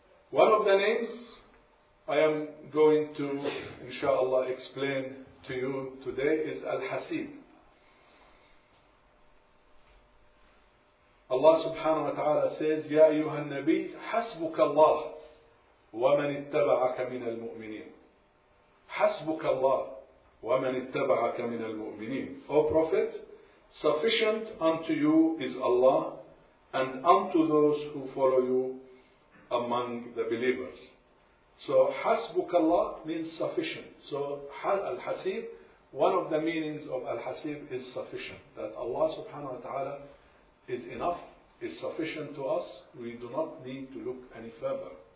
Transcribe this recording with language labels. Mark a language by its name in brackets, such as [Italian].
[English] One of the names I am going to inshallah explain to you today is Al-Hasib. Allah subhanahu wa ta'ala says, [Arabic] Ya ayyuha an-nabi, hasbuka Allah ومن اتبعك من المؤمنين. حسبك الله ومن اتبعك من المؤمنين. [English] O Prophet, sufficient unto you is Allah and unto those who follow you among the believers. So [Arabic] حسبك الله [English] means sufficient. So Al-Hasib, one of the meanings of Al-Hasib is sufficient, that Allah subhanahu wa ta'ala is enough, is sufficient to us, we do not need to look any further.